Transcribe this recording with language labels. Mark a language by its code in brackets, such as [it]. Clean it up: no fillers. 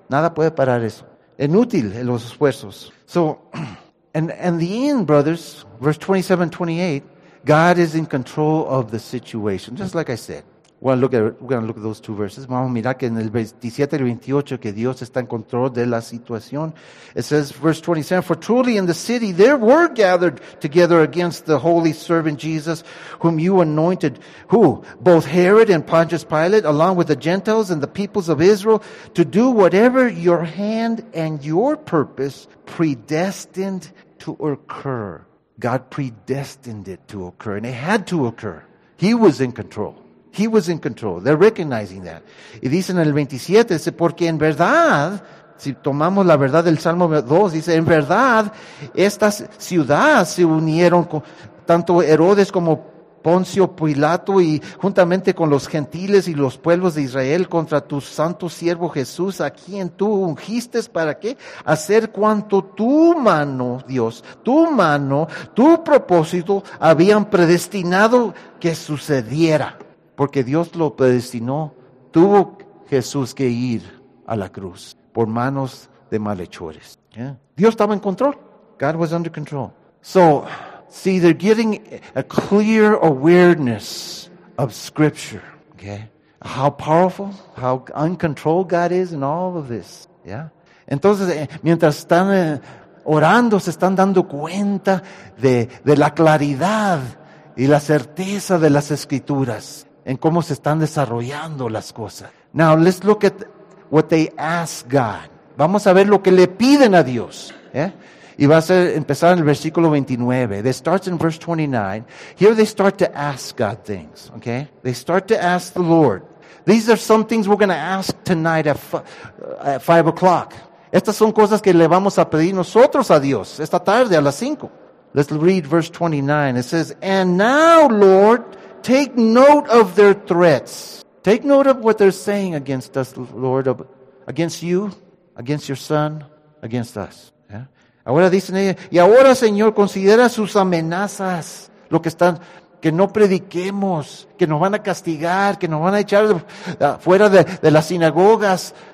[es] Nada puede parar eso. Inútil en los esfuerzos. [en] So, and the end, brothers, verse 27-28, God is in control of the situation. Just like I said. We're going to look at those two verses. [es] Vamos a mirar que en el 27 y 28 que Dios está en control de la situación. [en] It says, verse 27, for truly in the city there were gathered together against the holy servant Jesus whom you anointed, who? Both Herod and Pontius Pilate, along with the Gentiles and the peoples of Israel, to do whatever your hand and your purpose predestined to occur. God predestined it to occur, and it had to occur. He was in control. He was in control. They're recognizing that. [es] Y dice en el 27, dice, porque en verdad, si tomamos la verdad del Salmo 2, dice, en verdad, estas ciudades se unieron con tanto Herodes como Poncio Pilato y juntamente con los gentiles y los pueblos de Israel contra tu santo siervo Jesús, a quien tú ungiste, ¿para qué? Hacer cuanto tu mano, Dios, tu mano, tu propósito, habían predestinado que sucediera. Porque Dios lo predestinó, tuvo Jesús que ir a la cruz por manos de malhechores. [en] Yeah. [es] Dios estaba en control. [en] God was under control. So, see, they're getting a clear awareness of Scripture. Okay, how powerful, how uncontrolled God is in all of this. Yeah. [es] Entonces, mientras están orando, se están dando cuenta de la claridad y la certeza de las Escrituras. En cómo se están desarrollando las cosas. [en] Now, let's look at what they ask God. [es] Vamos a ver lo que le piden a Dios. ¿Eh? Y va a ser empezar en el versículo 29. [en] It starts in verse 29. Here they start to ask God things. Okay? They start to ask the Lord. These are some things we're going to ask tonight at 5 o'clock. [es] Estas son cosas que le vamos a pedir nosotros a Dios. Esta tarde a las 5. [en] Let's read verse 29. It says, and now, Lord, take note of their threats. Take note of what they're saying against us, Lord, against you, against your son, against us. Yeah? [es] Ahora dicen ellos, y ahora, Señor, considera sus amenazas, lo que están, que no prediquemos, que nos van a castigar, que nos van a echar fuera de las sinagogas.